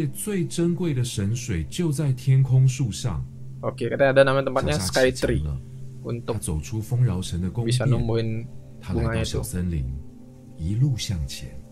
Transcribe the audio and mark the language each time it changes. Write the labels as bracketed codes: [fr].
[zh] 莎莎心想，爸爸有说过，全世界最珍贵的神水就在天空树上. [id] Oke, katanya ada nama tempatnya Sky Tree. Untuk bisa nyembuhin bunganya itu. [zh] 他来到小森林，一路向前。